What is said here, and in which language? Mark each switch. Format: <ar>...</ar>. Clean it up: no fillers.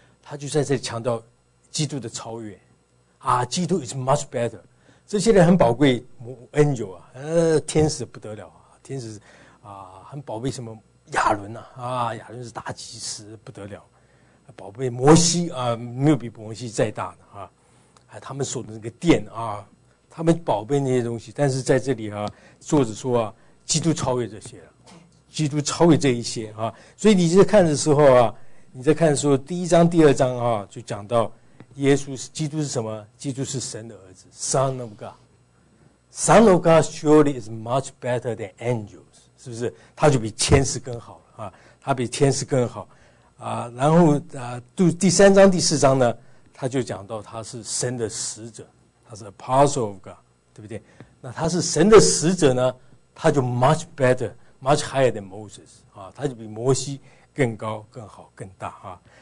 <zh>他就在这里强调基督的超越啊，基督</zh> <en>is much better，</en> <zh>这些人很宝贵 angel 啊，天使不得了啊，天使啊很宝贝，什么亚伦啊，亚伦是大祭司不得了，宝贝摩西啊，没有比摩西再大的啊，还他们所的那个殿啊，他们宝贝那些东西。但是在这里啊，作者说啊，基督超越这些了，基督超越这一些啊。所以你这看的时候啊，你在看的时候，第一章、第二章啊，就讲到耶稣是基督是什么？基督是神的儿子 ，</zh> <en>Son of God。 Son of God surely is much better than angels，</en> <zh>是不是？他就比天使更好了啊，他比天使更好啊。然后啊，第三章、第四章呢，他就讲到他是神的使者，他是</zh> <en>apostle of God，</en> <zh>对不对？那他是神的使者呢，他就</zh> <en>much better。 Much higher than Moses</en> <zh>啊，他就比摩西更高、更好、更大啊。</zh>